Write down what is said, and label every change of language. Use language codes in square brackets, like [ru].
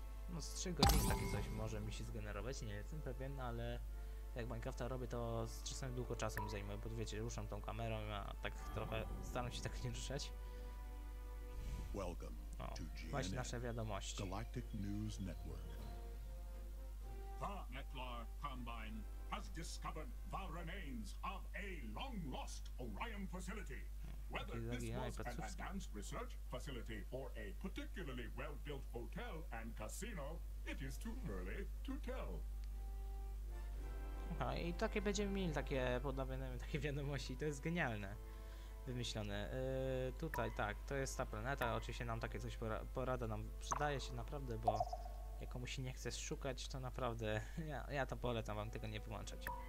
[pl] No z 3 godziny takie coś może mi się zgenerować, nie jestem pewien, ale jak Minecrafta robię, to z czasem długo czasem zajmuję, bo wiecie, ruszam tą kamerą, a tak trochę staram się tak nie ruszać. [en] Welcome to GNN, [pl] właśnie nasze wiadomości. [en] Galactic News Network. The Metlar Combine has discovered the remains of a long-lost Orion facility. Whether this was an advanced research facility or a particularly well-built hotel and casino, it is too early to tell. [pl] A i takie będziemy mieli, takie podobne takie wiadomości, to jest genialne, wymyślone. Tutaj tak, to jest ta planeta, oczywiście nam takie coś porada nam przydaje się naprawdę, bo jak komuś nie chcesz szukać, to naprawdę, ja to polecam wam tego nie wyłączać.